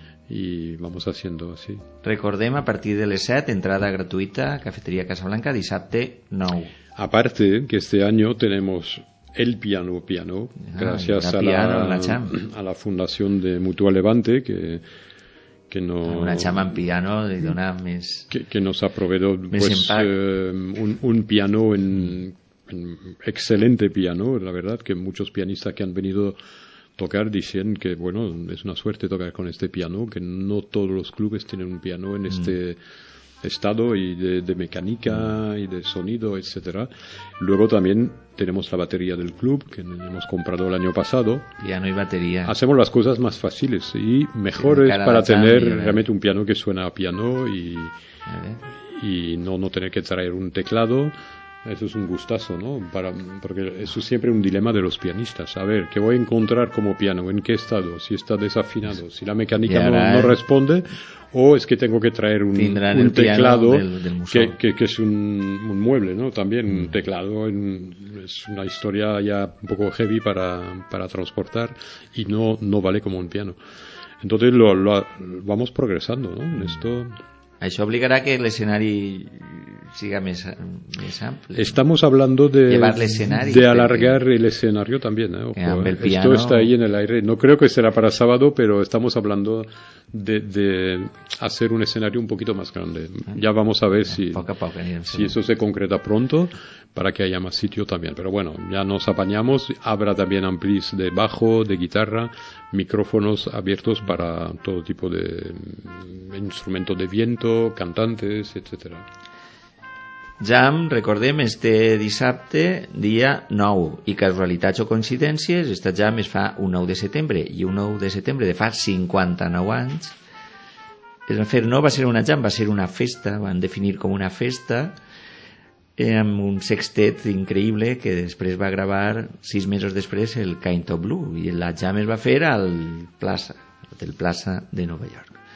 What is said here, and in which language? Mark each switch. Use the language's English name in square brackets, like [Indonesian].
[Spanish] I vamos haciendo así. [Catalan] Recordem, a partir de les 7, entrada gratuïta, Cafeteria Casablanca, dissabte 9. [Spanish] Aparte, que este año tenemos el piano, gracias a la Fundación de Mutua Levante, que no... [Catalan] Una chama en piano, de donar més... [Spanish] Que nos ha proveído pues, un piano, en excelente piano, la verdad, que muchos pianistas que han venido... tocar, dicen que, bueno, es una suerte tocar con este piano, que no todos los clubes tienen un piano en este estado y de mecánica y de sonido, etcétera. Luego también tenemos la batería del club, que hemos comprado el año pasado. Piano y batería. Hacemos las cosas más fáciles y mejores para tener realmente un piano que suena a piano y no tener que traer un teclado. Eso es un gustazo, ¿no? Porque eso es siempre un dilema de los pianistas. A ver, ¿qué voy a encontrar como piano? ¿En qué estado? ¿Si está desafinado? ¿Si la mecánica no responde? ¿O es que tengo que traer un teclado del museo? Que es un mueble, ¿no? También un teclado es una historia ya un poco heavy para transportar y no vale como un piano. Entonces lo vamos progresando, ¿no? En esto... [Catalan] Això obligarà que l'escenari siga més ampli. [Spanish] Estamos hablando de [Catalan] llevar l'escenari, [Spanish] de alargar el escenario también. Esto está ahí en el aire. No creo que será para sábado, pero estamos hablando de hacer un escenario un poquito más grande. Ya vamos a ver si eso se concreta pronto, para que haya más sitio también. Pero bueno, ya nos apañamos. Habrá también amplis de bajo, de guitarra, micrófonos abiertos para todo tipo de instrumentos de viento, cantantes, etcétera. [Catalan] Jam, recordem, este dissabte, dia 9. I casualitats o coincidències, esta jam es fa un 9 de setembre. I un 9 de setembre de fa 59 anys. No va ser una jam, va ser una festa. Van definir com una festa, amb un sextet increïble que després va gravar, 6 mesos després, el Kind of Blue. I la jam es va fer al Plaça, del Plaça de Nova York.